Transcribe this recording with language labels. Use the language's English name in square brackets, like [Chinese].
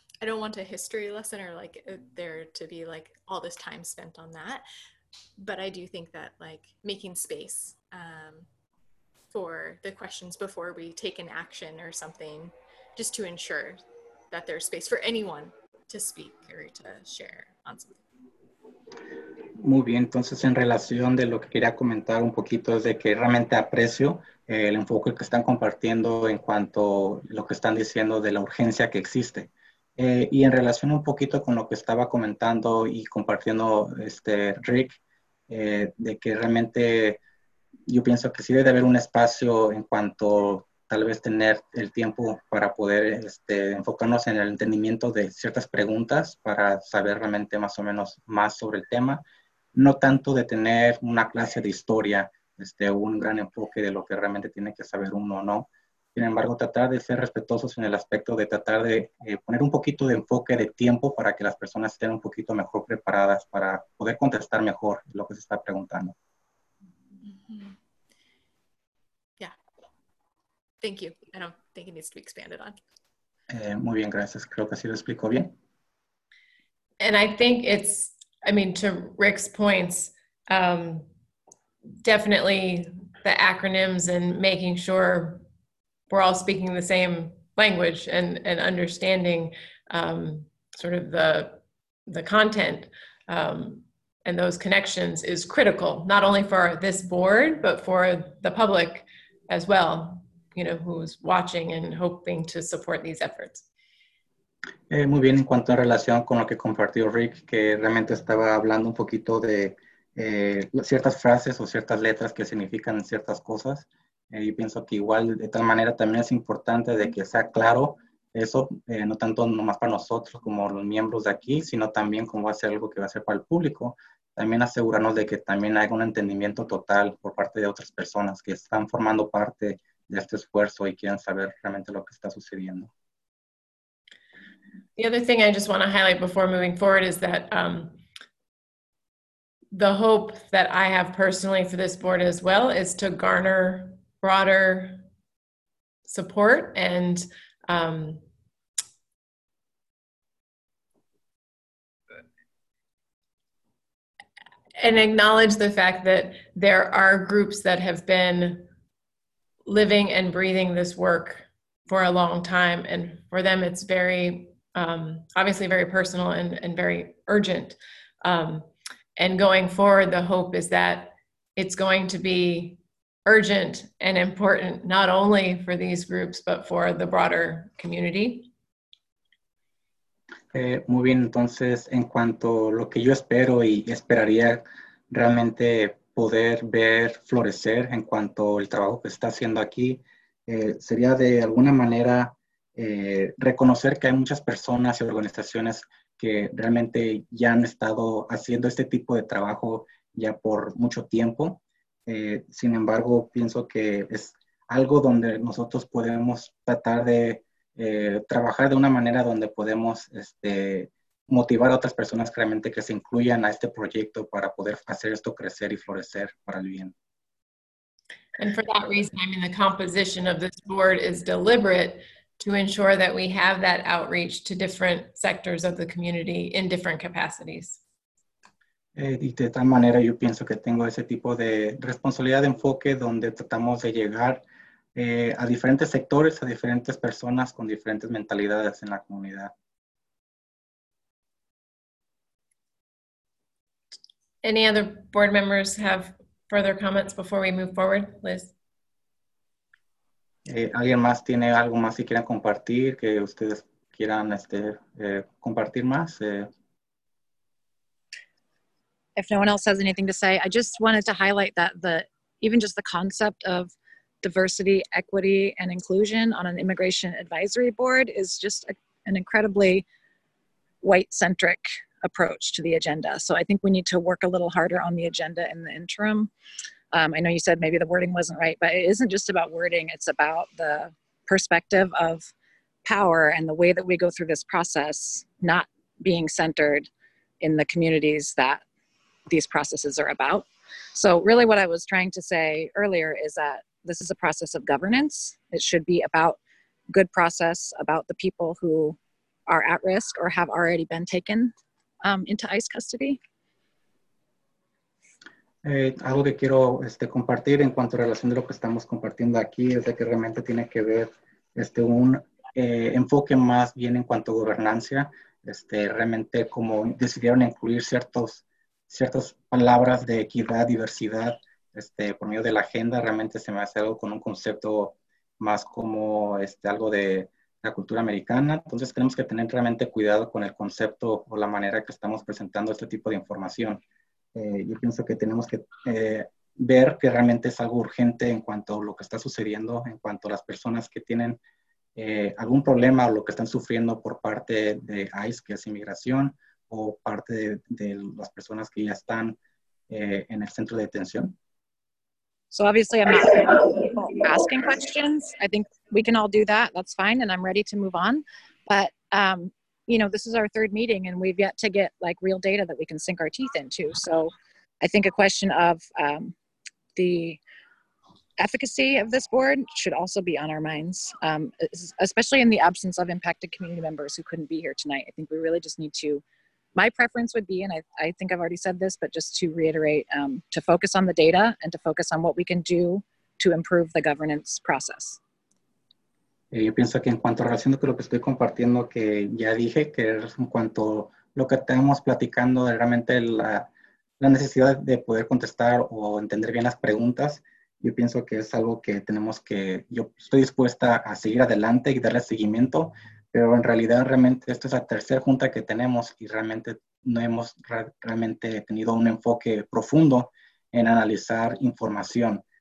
[English] I don't want a history lesson or like there to be like all this time spent on that. But I do think that like making space for the questions before we take an action or something, just to ensure that there's space for anyone to speak or to share on something. [Spanish] Muy bien, entonces en relación de lo que quería comentar un poquito es de que realmente aprecio el enfoque que están compartiendo en cuanto a lo que están diciendo de la urgencia que existe. Y en relación un poquito con lo que estaba comentando y compartiendo Rick, de que realmente yo pienso que sí debe haber un espacio en cuanto tal vez tener el tiempo para poder enfocarnos en el entendimiento de ciertas preguntas para saber realmente más o menos más sobre el tema. No tanto de tener una clase de historia, un gran enfoque de lo que realmente tiene que saber uno, ¿no? Sin embargo, tratar de ser respetuosos en el aspecto de tratar de poner un poquito de enfoque de tiempo para que las personas estén un poquito mejor preparadas para poder contestar mejor lo que se está preguntando. [English] Mm-hmm. Yeah. Thank you. I don't think it needs to be expanded on. [Spanish] Muy bien, gracias. Creo que así lo explico bien. [English] And I think it's, I mean, to Rick's points, definitely the acronyms and making sure we're all speaking the same language and understanding sort of the content. And those connections is critical, not only for this board, but for the public as well, you know, who's watching and hoping to support these efforts. [Spanish] Muy bien, en cuanto a relación con lo que compartió Rick, que realmente estaba hablando un poquito de ciertas frases o ciertas letras que significan ciertas cosas. Y pienso que igual, de tal manera, también es importante de que sea claro eso, no tanto nomás para nosotros como los miembros de aquí, sino también como va a ser algo que va a ser para el público, también asegurarnos de que también haya un entendimiento total por parte de otras personas que están formando parte de este esfuerzo y quieran saber realmente lo que está sucediendo. [English] The other thing I just want to highlight before moving forward is that the hope that I have personally for this board as well is to garner broader support and and acknowledge the fact that there are groups that have been living and breathing this work for a long time, and for them it's very obviously very personal and very urgent. And going forward, the hope is that it's going to be urgent and important, not only for these groups, but for the broader community. [Spanish] Muy bien, entonces, en cuanto a lo que yo espero y esperaría realmente poder ver florecer en cuanto al trabajo que está haciendo aquí, sería de alguna manera reconocer que hay muchas personas y organizaciones que realmente ya han estado haciendo este tipo de trabajo ya por mucho tiempo. Sin embargo, pienso que es algo donde nosotros podemos tratar de trabajar de una manera donde podemos motivar a otras personas realmente que se incluyan a este proyecto para poder hacer esto crecer y florecer para el bien. [English] And for that reason, I mean, the composition of this board is deliberate to ensure that we have that outreach to different sectors of the community in different capacities. [Spanish] Y de tal manera yo pienso que tengo ese tipo de responsabilidad de enfoque donde tratamos de llegar a diferentes sectores, a diferentes personas con diferentes mentalidades en la comunidad. [English] Any other board members have further comments before we move forward, Liz? [Spanish] ¿Alguien más tiene algo más que quieran compartir, que ustedes quieran compartir más? [English] If no one else has anything to say, I just wanted to highlight that the even just the concept of diversity, equity, and inclusion on an immigration advisory board is just an incredibly white-centric approach to the agenda. So I think we need to work a little harder on the agenda in the interim. I know you said maybe the wording wasn't right, but it isn't just about wording. It's about the perspective of power and the way that we go through this process not being centered in the communities that these processes are about. So really what I was trying to say earlier is that this is a process of governance. It should be about good process, about the people who are at risk or have already been taken into ICE custody. [Spanish] Algo que quiero compartir en cuanto a relación de lo que estamos compartiendo aquí es de que realmente tiene que ver un enfoque más bien en cuanto a gobernancia, realmente como decidieron incluir ciertas palabras de equidad, diversidad, por medio de la agenda, realmente se me hace algo con un concepto más como algo de la cultura americana. Entonces tenemos que tener realmente cuidado con el concepto o la manera que estamos presentando este tipo de información. Yo pienso que tenemos que ver que realmente es algo urgente en cuanto a lo que está sucediendo, en cuanto a las personas que tienen algún problema o lo que están sufriendo por parte de ICE, que es inmigración, o parte de las personas que ya están en el centro de detención. [English] So obviously I'm not going to have people asking questions. I think we can all do that. That's fine. And I'm ready to move on. But you know, this is our third meeting and we've yet to get like real data that we can sink our teeth into. So I think a question of the efficacy of this board should also be on our minds, especially in the absence of impacted community members who couldn't be here tonight. I think we really just need to, my preference would be, and I think I've already said this, but just to reiterate, to focus on the data and to focus on what we can do to improve the governance process. [Spanish] Yo pienso que en cuanto a relación con lo que estoy compartiendo, que ya dije, que en cuanto a lo que estamos platicando, realmente la necesidad de poder contestar o entender bien las preguntas, yo pienso que es algo que tenemos que, yo estoy dispuesta a seguir adelante y darle seguimiento, pero en realidad realmente esta es la tercera junta que tenemos y realmente no hemos realmente tenido un enfoque profundo en analizar información.